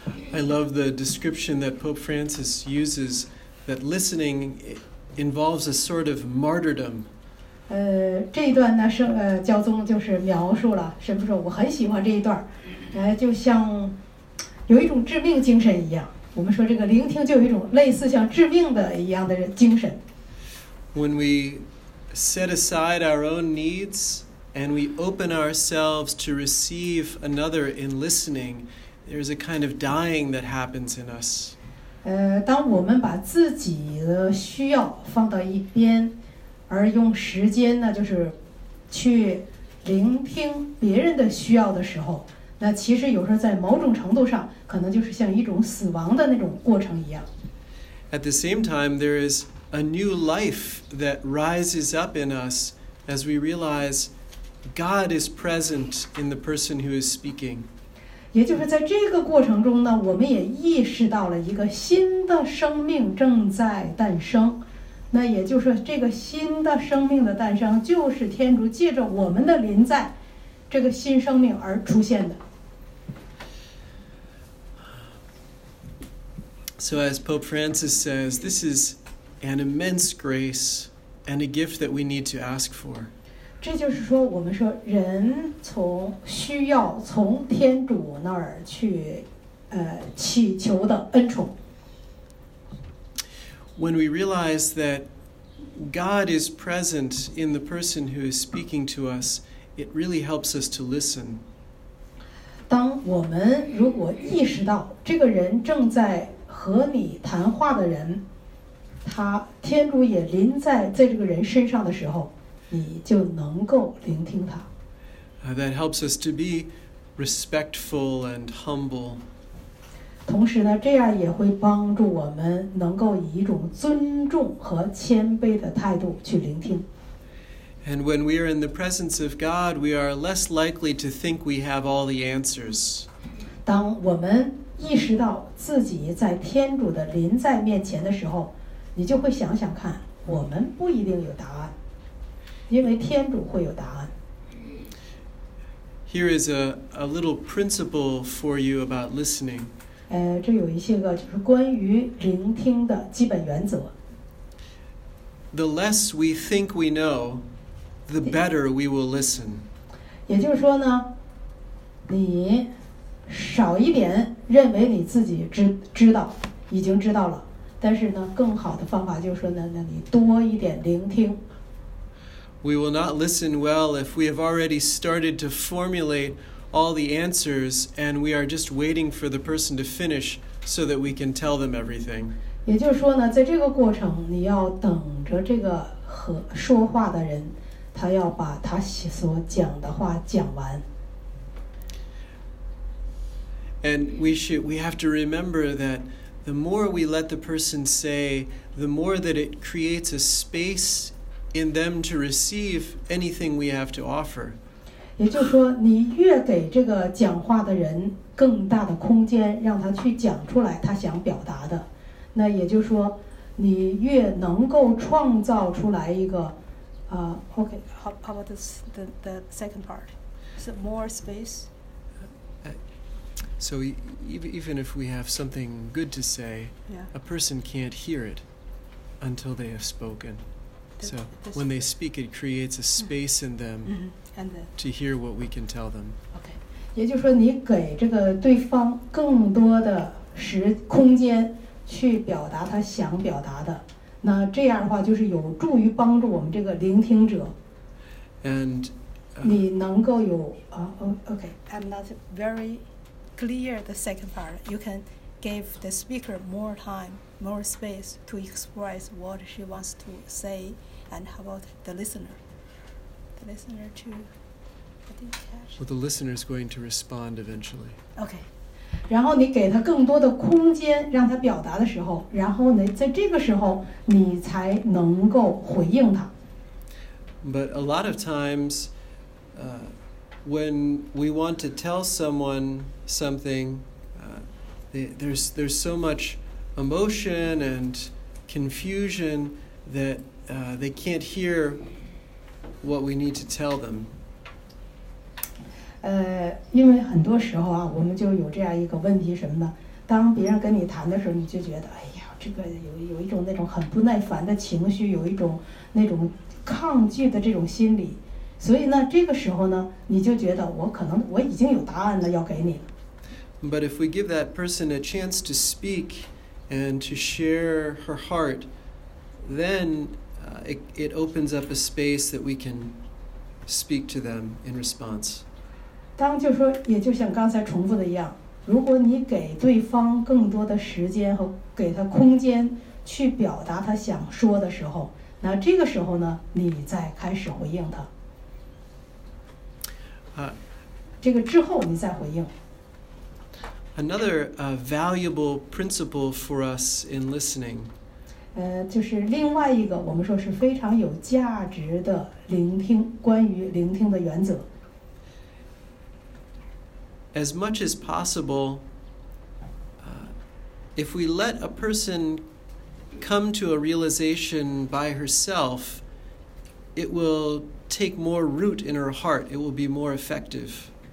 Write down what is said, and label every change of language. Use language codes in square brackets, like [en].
[en] I love the description that Pope Francis uses, that listening involves a sort of martyrdom. [zh] 这一段呢是教宗就是描述了，神父说我很喜欢这一段，就像有一种致命精神一样。我们说这个聆听就有一种类似像致命的一样的精神。 [en] When we set aside our own needs and we open ourselves to receive another in listening. There's a kind of dying that happens in us. [zh] 当我们把自己的需要放到一边，而用时间呢，就是去聆听别人的需要的时候，那其实有时候在某种程度上，可能就是像一种死亡的那种过程一样。 [en] At the same time, there is a new life that rises up in us as we realize God is present in the person who is speaking. [zh] 也就是在这个过程中呢，我们也意识到了一个新的生命正在诞生。那也就是这个新的生命的诞生，就是天主借着我们的临在，这个新生命而出现的。 [en] So as Pope Francis says, this is an immense grace and a gift that we need to ask for. [zh] 这就是说我们说人从需要从天主那儿去祈求的恩宠。 [en] When we realize that God is present in the person who is speaking to us, it really helps us to listen. [zh] 当我们如果意识到这个人正在和你谈话的人，他天主也临在这个人身上的时候，你就能够聆听他。 [en] That helps us to be respectful and humble. [zh] 同时呢，这样也会帮助我们能够以一种尊重和谦卑的态度去聆听。 [en] And when we are in the presence of God, we are less likely to think we have all the answers. [zh] 当我们意识到自己在天主的临在面前的时候，你就会想想看，我们不一定有答案，因为天主会有答案。 [en] Here is a little principle for you about listening. [zh] 这有一些个就是关于聆听的基本原则。 [en] The less we think we know, the better we will listen. [zh] 也就是说呢，你少一点认为你自己知道，已经知道了，但是呢，更好的方法就是说呢，那你多一点聆听。 [en] We will not listen well if we have already started to formulate all the answers and we are just waiting for the person to finish so that we can tell them everything. [zh] 也就是说呢，在这个过程，你要等着这个和说话的人，他要把他所讲的话讲完。 [en] And we have to remember that the more we let the person say, the more that it creates a space in them to receive anything we have to offer. [zh] 也就是说，你越给这个讲话的人更大的空间，让他去讲出来他想表达的，那也就是说，你越能够创造出来一个， [en] Okay, how about this, the second part? Is it more space? So even if we have something good to say, yeah. A person can't hear it until they have spoken. So when they speak, it creates a space in them to hear what we can tell them. Okay. [zh] 也就是说你给这个对方更多的空间去表达他想表达的。那这样的话就是有助于帮助我们这个聆听者。 [en] And, [zh] 你能够有、 [en] okay. I'm not very... clear the second part. You can give the speaker more time, more space to express what she wants to say. And how about the listener? The listener to, I didn't catch. Well, the listener is going to respond eventually. Okay. [zh] 然后你给他更多的空间让他表达的时候，然后呢，在这个时候你才能够回应他。 [en] But a lot of times, when we want to tell someone something, there's so much emotion and confusion that they can't hear what we need to tell them. [zh] 因为很多时候啊，我们就有这样一个问题什么呢？当别人跟你谈的时候，你就觉得，哎呀，这个有一种那种很不耐烦的情绪，有一种那种抗拒的这种心理。所以呢，这个时候呢，你就觉得我已经有答案了，要给你了。 [en] But if we give that person a chance to speak and to share her heart, then it opens up a space that we can speak to them in response. [zh] 当就说，也就像刚才重复的一样，如果你给对方更多的时间和给他空间去表达他想说的时候，那这个时候呢，你再开始回应他。这个之后你再回应。 [en] Another valuable principle for us in listening. [zh] 就是另外一个我们说是非常有价值的聆听，关于聆听的原则。 [en] As much as possible, if we let a person come to a realization by herself, it will take more root in her heart. It will be more effective.